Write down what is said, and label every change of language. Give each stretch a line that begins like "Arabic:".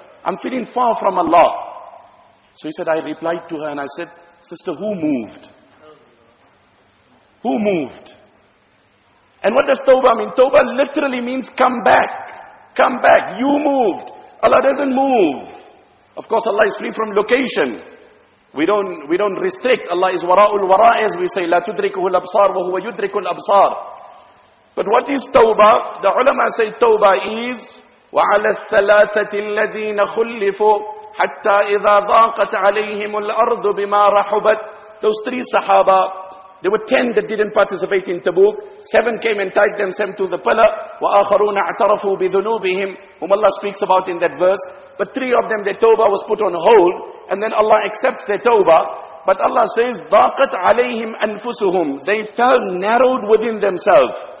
English: I'm feeling far from Allah. So he said, I replied to her, and I said, sister, who moved? Who moved? And what does tawbah mean? Tawbah literally means come back. Come back. You moved. Allah doesn't move. Of course, Allah is free from location. We don't restrict. Allah is wara'ul wara', as we say,
Arabic: لا تدركه الأبصار وهو يدرك الأبصار.
English: But what is tawbah? The ulama say tawbah is
Arabic: وعلى الثلاثة الذين خلفوا حتى إذا ضاقت عليهم الأرض بما رحبت.
English: Those three sahaba, there were 10 that didn't participate in Tabuk. 7 came and tied themselves to the pillar.
Arabic: وآخرون اعترفوا بذنوبهم,
English: whom Allah speaks about in that verse. But 3 of them, their tawbah was put on hold, and then Allah accepts their tawbah. But Allah says
Arabic: ضاقت عليهم أنفسهم,
English: they fell narrowed within themselves.